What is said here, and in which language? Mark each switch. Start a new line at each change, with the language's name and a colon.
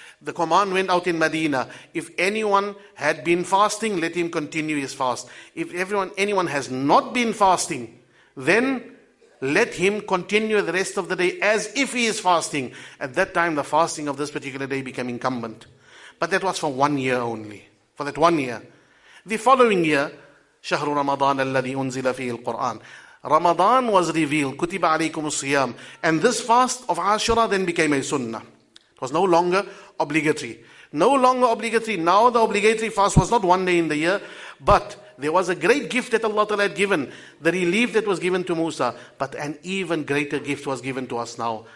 English: The command went out in Medina. If anyone had been fasting, let him continue his fast. If anyone has not been fasting, then Let him continue the rest of the day as if he is fasting. At that time, the fasting of this particular day became incumbent. But that was for 1 year only. For that 1 year. The following year,
Arabic: شهر رمضان الذي أنزل فيه القرآن.
English: Ramadan was revealed.
Arabic: كتب عليكم الصيام.
English: And this fast of Ashura then became a sunnah. It was no longer obligatory. No longer obligatory. Now the obligatory fast was not 1 day in the year, but there was a great gift that Allah Ta'ala had given, the relief that was given to Musa, but an even greater gift was given to us now.